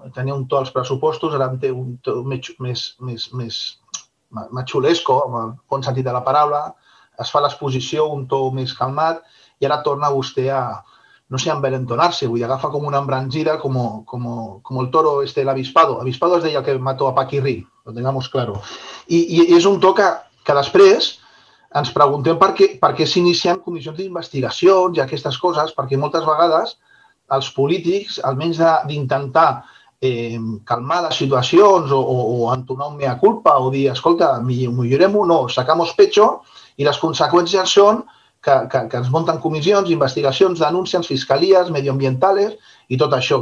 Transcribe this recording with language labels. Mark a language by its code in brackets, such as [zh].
[ca] Tenia un to als pressupostos, ara en té un to més machulesco, amb el bon sentit de la paraula, es fa l'exposició un to més calmat i ara torna vostè a, no sé, envalentonar-se, vull dir, agafa com una embranzida, com el toro este, l'avispado. [es] Avispado [ca] es deia el que [es] mató a Paquirri, lo tengamos claro. [ca] I és un to que després ens preguntem per què s'inicien comissions d'investigacions i aquestes coses, perquè moltes vegades els polítics, almenys d'intentar calmar les situacions o entonar un mea culpa o dir, escolta, millorem-ho, no, [es] sacamos pecho, [ca] i les conseqüències són que ens munten comissions, investigacions, denúncies, fiscalies, mediambientals i tot això.